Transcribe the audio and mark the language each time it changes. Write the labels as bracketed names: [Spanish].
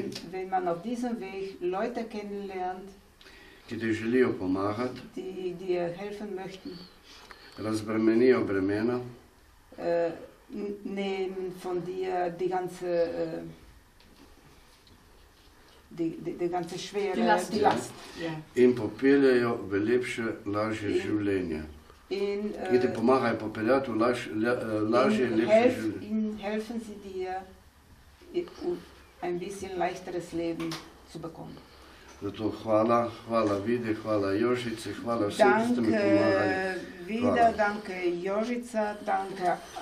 [German] wenn man auf diesem Weg Leute kennenlernt, [Slovenian] ki ti želijo pomagati, [German] die dir helfen möchten, [Slovenian] razbremenijo bremena, [German] nehmen von dir die ganze schwere die Last. Ja. [Slovenian] In popeljejo v lepše, lažje življenje. In ti pomagajo popeljati v lažje, lepše življenje. [German] In helfen sie dir, ein bisschen leichteres Leben zu bekommen. [Slovenian] Zato hvala Vide, hvala Jožice, hvala vsem, ki ste mi pomagali. [German] Danke Vide, danke Jožica, danke